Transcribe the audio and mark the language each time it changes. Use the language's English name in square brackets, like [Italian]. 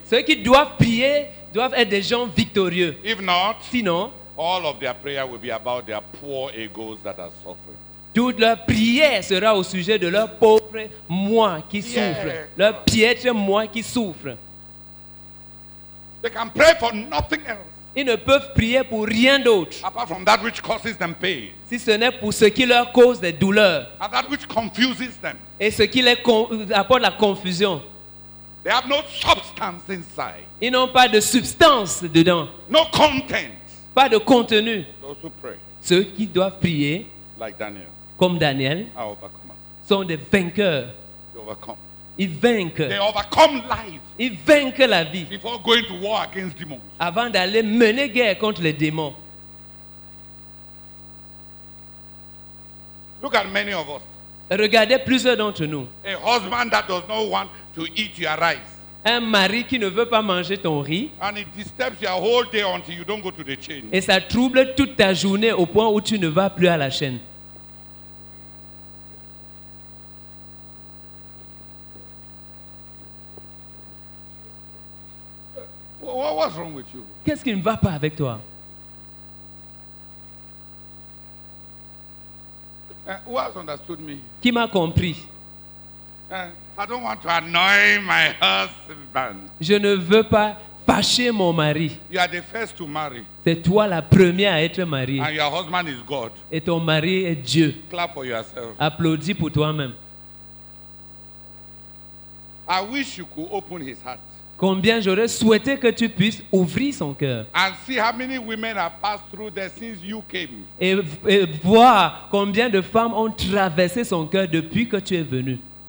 [French] Ceux qui doivent prier doivent être des gens victorieux. [English] If not, [French] sinon, [English] all of their prayer will be about their poor egos that are suffering. [French] Toute leur prière sera au sujet de leur pauvre moi qui souffre, leur piètre moi qui souffre. [English] They can pray for nothing else. [French] Ils ne peuvent prier pour rien d'autre. [English] Apart from that which causes them pain. [French] Si ce n'est pour ce qui leur cause des douleurs. [English] And that which confuses them. [French] Et ce qui les apporte la confusion. [English] They have no substance inside. [French] Ils n'ont pas de substance dedans. [English] No content. [French] Pas de contenu. [English] Those who pray. [French] Ceux qui doivent prier. [English] Like Daniel. [French] Comme Daniel. Sont des vainqueurs. [English] They overcome. [French] Ils vainquent. [English] They overcome life. [French] Ils vainquent la vie. [English] Before going to war against demons. [French] Avant d'aller mener guerre contre les démons. [English] Look at many of us. [French] Regardez plusieurs d'entre nous. [English] A husband that does not want to eat your rice. [French] Un mari qui ne veut pas manger ton riz. [English] And it disturbs your whole day until you don't go to the chain. [French] Et ça trouble toute ta journée au point où tu ne vas plus à la chaîne. [English] What's wrong with you? [French] Qu'est-ce qui ne va pas avec toi? [English] Who has understood me? [French] Qui m'a compris? [English] I don't want to annoy my husband. [French] Je ne veux pas fâcher mon mari. [English] You are the first to marry. [French] C'est toi la première à être mariée. [English] And your husband is God. [French] Et ton mari est Dieu. [English] Clap for yourself. [French] Applaudis pour toi-même. [English] I wish you could open his heart. [French] Combien j'aurais souhaité que tu puisses ouvrir son cœur. [English] And see how many women have passed through there since you came. [French] Et voir combien de femmes ont traversé son cœur depuis que tu es venu.